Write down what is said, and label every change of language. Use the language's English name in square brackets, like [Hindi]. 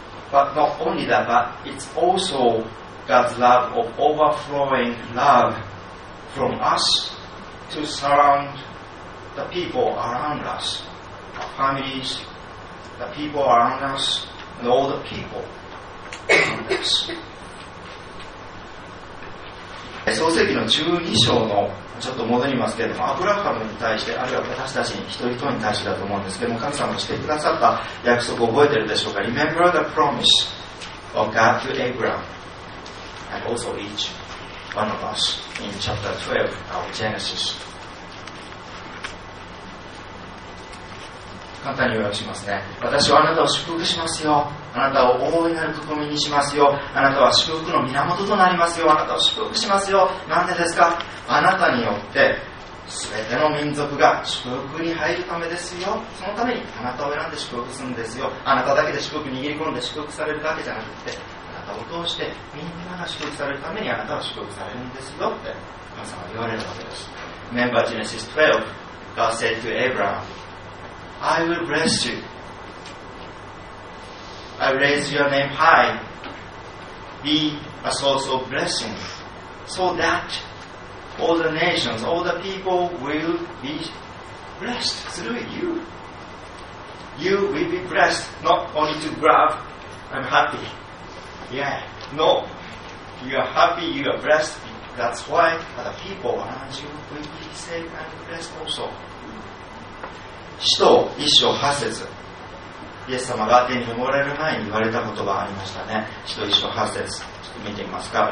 [English] But not only that, but it's also God's love of overflowing love from us to surround the people around us, our families, the people around us, and all the people. [Japanese] です。創世記の12章のちょっと戻りますけれども、アブラハムに対して、あるいは私たち一人一人に対してだと思うんですけども、神様がしてくださった約束を覚えているでしょうか。 [English] Remember the promise of God to Abraham and also each one of us in chapter 12 of Genesis。 [Japanese] 簡単に予約しますね。私はあなたを祝福しますよ、あなたを大いなる国民にしますよ、あなたは祝福の源となりますよ、あなたを祝福しますよ。なんでですか。あなたによってすべての民族が祝福に入るためですよ。そのためにあなたを選んで祝福するんですよ。あなただけで祝福握り込んで祝福されるだけじゃなくて、あなたを通してみんなが祝福されるためにあなたは祝福されるんですよって神様は言われるわけです。 [English] Remember Genesis 12 God said to Abraham I will bless you I will raise your name high Be a source of blessing So thatAll the nations, all the people will be blessed through you. You will be blessed not only to grab, I'm happy. Yeah, no. You are happy, you are blessed. That's why other people around you will be safe and blessed also. [Japanese] 使徒一章八節。イエス様が天に昇られる前に言われた言葉ありましたね。使徒一章八節。ちょっと見てみますか。